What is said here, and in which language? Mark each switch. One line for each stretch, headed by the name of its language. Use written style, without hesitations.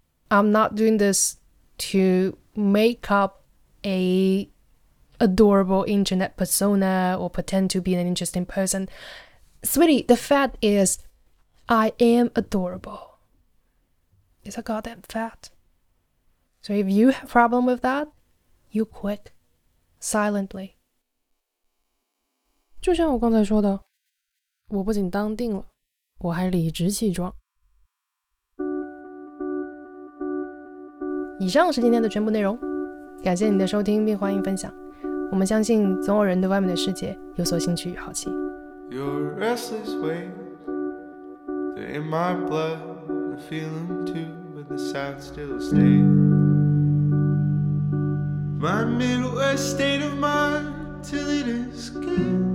English: I'm not doing this to make up an adorable internet persona or pretend to be an interesting person. Sweetie, the fact is, I am adorable. It's a goddamn fact. So if you have a problem with that, you quit silently.
Chinese: 就像我刚才说的，我不仅当定了，我还理直气壮。以上是今天的全部内容，感谢你的收听并欢迎分享。我们相信总有人对外面的世界有所兴趣与好奇。
English: Your restless ways, they're in my blood, I feel them too, but the sound still stays. My Midwest state of mind till it escapes.